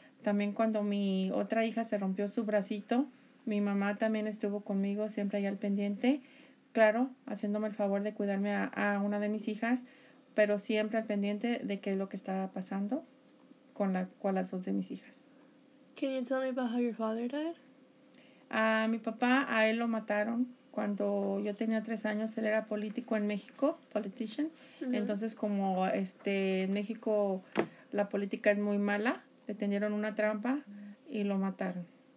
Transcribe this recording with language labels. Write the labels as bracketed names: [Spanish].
[Spanish] También cuando mi otra hija se rompió su bracito, mi mamá también estuvo conmigo, siempre ahí al pendiente. Claro, haciéndome el favor de cuidarme a una de mis hijas, pero siempre al pendiente de qué es lo que estaba pasando con las dos de mis hijas. [English] Can you tell me about how your father died? [Spanish] A mi papá, a él lo mataron cuando yo tenía 3 años. Él era político en México, politician. Mm-hmm. Entonces, como en México la política es muy mala, le tendieron una trampa y lo mataron.